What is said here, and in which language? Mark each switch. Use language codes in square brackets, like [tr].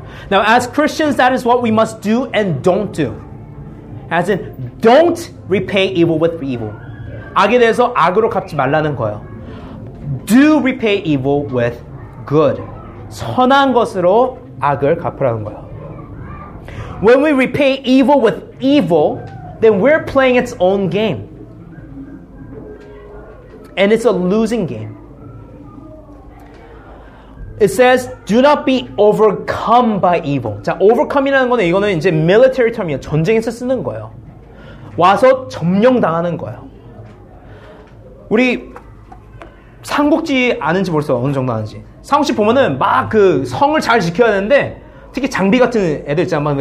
[en] Now, as Christians, that is what we must do and don't do. As in, don't repay evil with evil. [ko] 악에 대해서 악으로 갚지 말라는 거예요. [en] Do repay evil with good. [ko] 선한 것으로 악을 갚으라는 거예요. [en] When we repay evil with evil, then we're playing its own game. And it's a losing game. It says, do not be overcome by evil. [ko] 자, overcome이라는 거는 이거는 이제 military term이에요. 전쟁에서 쓰는 거예요. 와서 점령당하는 거예요. 우리 삼국지 아는지 벌써 어느 정도 아는지. 삼국지 보면은 막 그 성을 잘 지켜야 되는데 특히 장비 같은 애들 있잖아.